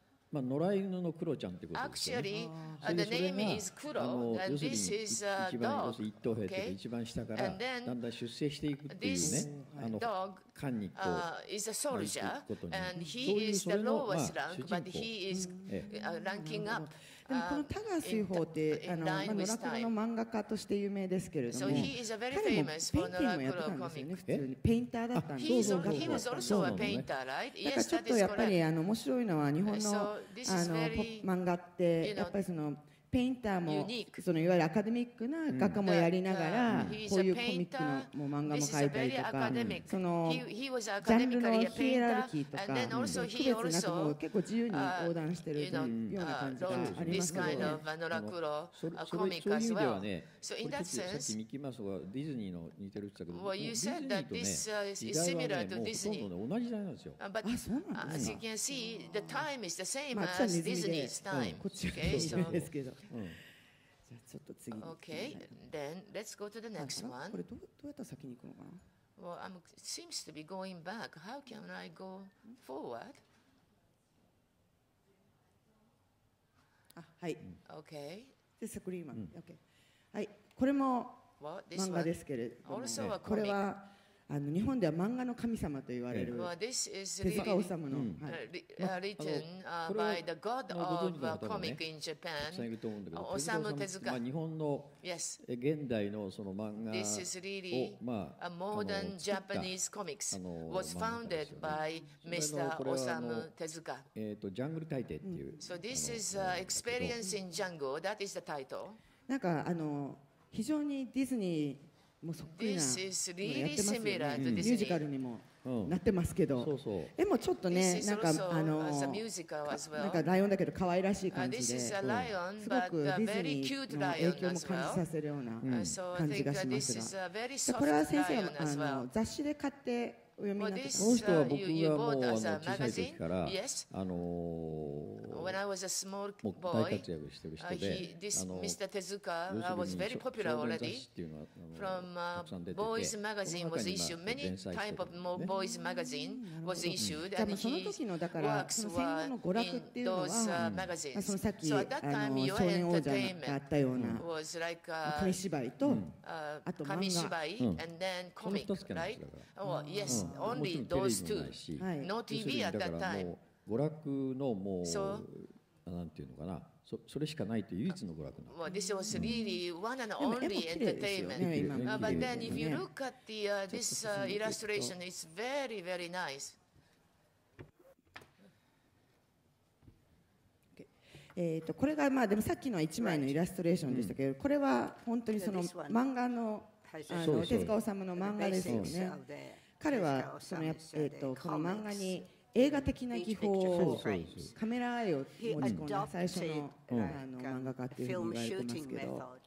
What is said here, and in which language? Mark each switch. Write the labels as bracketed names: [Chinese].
[Japanese] まあ、野良犬のクロちゃんってことですね。 [English] Actually, the name is Kuro, and this is a dog. [Japanese] 一等兵って一番下からだんだん出世していくっていうね。 [English] Dog is a soldier, and he is the lowest rank, but he is ranking up. [Japanese] でもこのタガスイホーってまあ、ノラクロの漫画家として有名ですけれども、 [English] so、he is a very famous [Japanese] 彼もペインティングもやってたんですよね。普通にペインターだったんです [English] 。 He was also a painter, right? [Japanese] だからちょっとやっぱり面白いのは日本 の, [English] very, [Japanese] 漫画ってやっぱりそのペインターもそのいわゆるアカデミックな画家もやりながらこういうコミックのも漫画も描いたりとかそのジャンルのヒエラルキーとか区別なくも結構自由に横断してるというような感じがありますけどね。ノラクロコミックそういう意味ではねこれちょっとさっきミッキーマウスがディズニーの似てるって言ったけどディズニーとね時代はねもうほとんど同じ時代なんですよ。あ、そうなんですか。 [English] As you can see, the time is the same as Disney's time. [Japanese] こっちが興味ですけどじゃあちょっと次に [English] Okay, then let's go to the next one. [Japanese] これどうやったら先に行くのかな。 [English] Well, it seems to be going back. How can I go forward? [Japanese] あ、はい。 [English] Okay. [Japanese] で、スクリーマン。 [English] Okay. [Japanese] はい、これも漫画ですけれども、 [English] Well, this one, also a comic. [Japanese] これは日本では漫画の神様と言われる手塚治虫の、はい、 [English] written by the god of comic in Japan。 [Japanese] 治虫手塚。まあ日本の現代のその漫画を、 [English] This is really a modern Japanese comics was founded by Mr. [Japanese] 治虫手塚。ジャングル大帝っていう。 [English] So this is experience in jungle. That is the title. [Japanese] なんか非常にディズニーもうそっくりなやってますよね。ミュージカルにもなってますけど、絵もちょっとね、なんかなんかライオンだけど可愛らしい感じで、すごくディズニーの影響も感じさせるような感じがしますが、これは先生雑誌で買ってお読みになってますか。この人は僕はもう小さい時から [English] When I was a small boy, this Mr. Tezuka was very popular already. From boys' magazine was issued. Many type of more boys' magazine was issued, and his works were in those magazines. So at that time, your entertainment was like kamishibai and then comic, right? Oh, yes, only those two. No TV at that time. [Japanese] 娯楽のもう、 [English] so、 [Japanese] なんていうのかな、それしかないという唯一の娯楽なの。 [English] Well, this was really one and only entertainment. But then, if you look at the this illustration, it's very, very nice. [Japanese] これがまあでもさっきのは1枚のイラストレーションでしたけど、これは本当にその漫画の、あの手塚治虫の漫画ですよね。彼はそのこの漫画に映画的な技法をカメラ愛を持ち込んで最初 の、 あの漫画家っていうふうに言われてますけど、